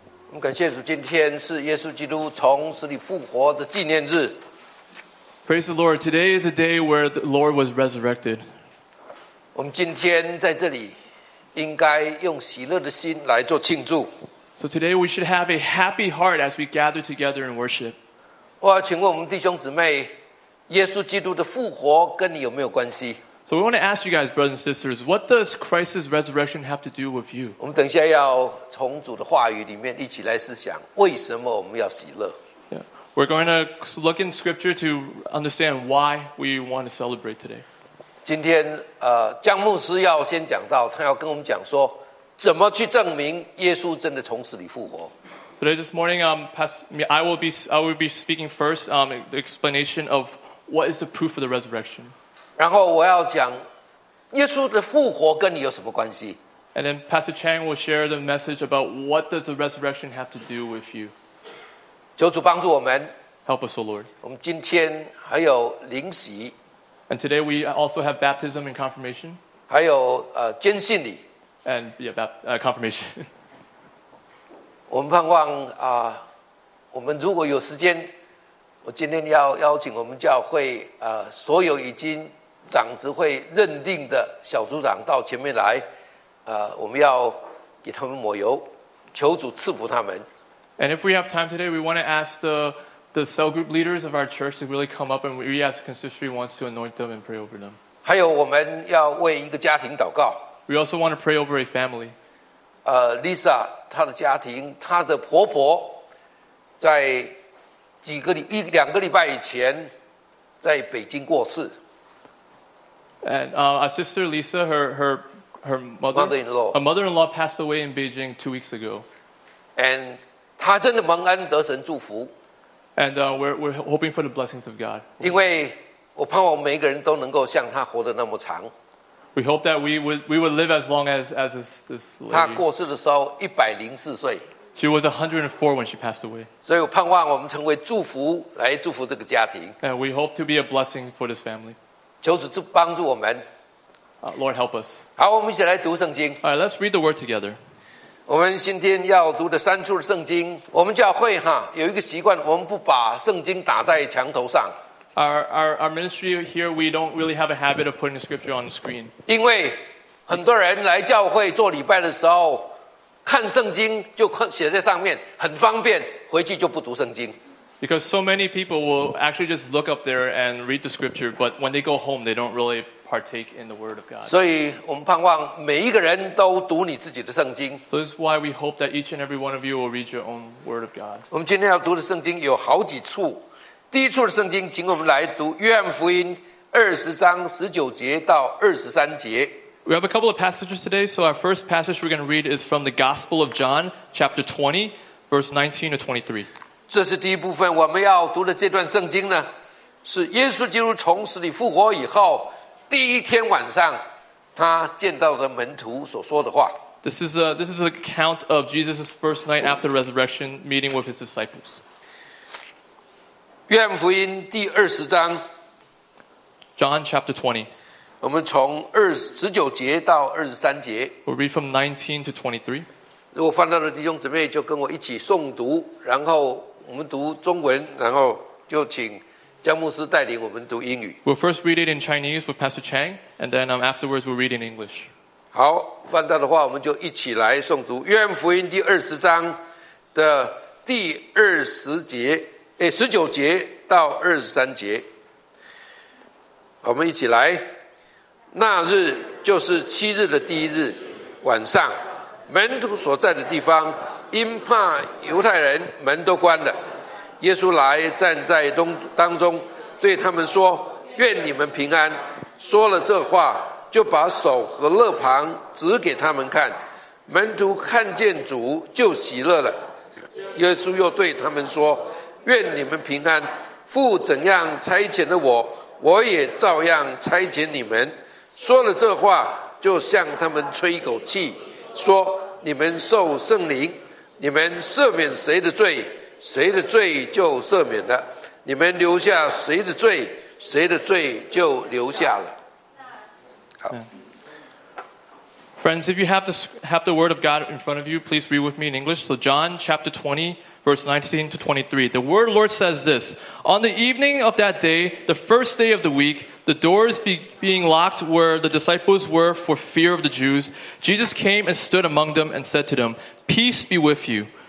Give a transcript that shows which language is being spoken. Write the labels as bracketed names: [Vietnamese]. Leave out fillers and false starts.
[Chinese] 我们感谢主，今天是耶稣基督从死里复活的纪念日。 [English] Praise the Lord. Today is a day where the Lord was resurrected. [Chinese] 我们今天在这里应该用喜乐的心来做庆祝。 [English] So today we should have a happy heart as we gather together in worship. [Chinese] 我要请问我们弟兄姊妹，耶稣基督的复活跟你有没有关系？ [English] So we want to ask you guys, brothers and sisters, what does Christ's resurrection have to do with you? [Chinese] 我们等一下要从主的话语里面一起来思想，为什么我们要喜乐？ [English] Yeah. We're going to look in scripture to understand why we want to celebrate today. [Chinese] 今天江牧师要先讲到，他要跟我们讲说，怎么去证明耶稣真的从死里复活。 [English] Today, this morning, I will be speaking first, the explanation of what is the proof of the resurrection. [Chinese] 然后我要讲耶稣的复活跟你有什么关系。 [English] And then Pastor Chang will share the message about what does the resurrection have to do with you. [Chinese] 求主帮助我们。 [English] Help us, O Lord. [Chinese] 我们今天还有灵洗。 [English] And today we also have baptism and confirmation. [Chinese] 还有坚信礼。 [English] And yeah, confirmation. [Chinese] 我们盼望我们如果有时间，我今天要邀请我们教会所有已经长执会认定的小组长到前面来，我们要给他们抹油，求主赐福他们。 [English] And if we have time today, we want to ask the cell group leaders of our church to really come up, and we as the consistory wants to anoint them and pray over them. [Chinese] 还有我们要为一个家庭祷告。 [English] We also want to pray over a family. [Chinese] Lisa 她的家庭，她的婆婆在几个礼一两个礼拜以前在北京过世。 [English] And our sister Lisa, her mother-in-law passed away in Beijing 2 weeks ago. And [Chinese] 她真的蒙恩得神祝福。 [English] And we're hoping for the blessings of God. [Chinese] 因为我盼望每一个人都能够像她活得那么长。 [English] We hope that we would live as long as this lady. [Chinese] 她过世的时候104岁。 [English] She was 104 when she passed away. [Chinese] 所以我盼望我们成为祝福，来祝福这个家庭。 [English] And we hope to be a blessing for this family. [Chinese] 求主帮助我们。 [English] Lord, help us. [Chinese] 好，我们一起来读圣经。 [English] All right, let's read the word together. [Chinese] 我们今天要读的三处的圣经，我们教会哈有一个习惯，我们不把圣经打在墙头上。 [English] Our ministry here, we don't really have a habit of putting the scripture on the screen. [Chinese] 因为很多人来教会做礼拜的时候，看圣经就写在上面，很方便，回去就不读圣经。 [English] Because so many people will actually just look up there and read the scripture, but when they go home, they don't really partake in the word of God. [Chinese] 所以我们盼望每一个人都读你自己的圣经。 [English] So this is why we hope that each and every one of you will read your own word of God. [Chinese] 我们今天要读的圣经有好几处。第一处的圣经，请我们来读约翰福音20:19-23。 [English] We have a couple of passages today. So our first passage we're going to read is from the Gospel of John, chapter 20, verse 19-23. [Chinese] 这是第一部分，我们要读的这段圣经呢，是耶稣基督从死里复活以后第一天晚上他见到的门徒所说的话。 [English] This is an account of Jesus' first night after resurrection meeting with his disciples. [Chinese] 约翰福音第20 [English] John chapter 20. [Chinese] 我们从19-23。 [English] We'll read from 19-23. [Chinese] 如果翻到的弟兄姊妹就跟我一起诵读，然后我们读中文，然后就请江牧师带领我们读英语。 [English] We'll first read it in Chinese with Pastor Chang, and then afterwards we'll read in English. [Chinese] 好，翻到的话，我们就一起来诵读《约翰福音》第20:19-23。我们一起来。那日就是七日的第一日晚上，门徒所在的地方，因怕犹太人，门都关了。耶稣来站在当中，对他们说：“愿你们平安。” 说了这话，就把手和肋旁指给他们看。门徒看见主，就喜乐了。耶稣又对他们说：“愿你们平安。父怎样差遣了我，我也照样差遣你们。” 说了这话，就向他们吹一口气，说：“你们受圣灵，你们赦免谁的罪？” 谁的罪就赦免了，你们留下谁的罪，谁的罪就留下了。好， [English] Friends, if you have the word of God in front of you, please read with me in English. So John chapter 20, verse 19 to 23. The word of the Lord says this: On the evening of that day, the first day of the week, the doors being locked where the disciples were for fear of the Jews, Jesus came and stood among them and said to them, Peace be with you.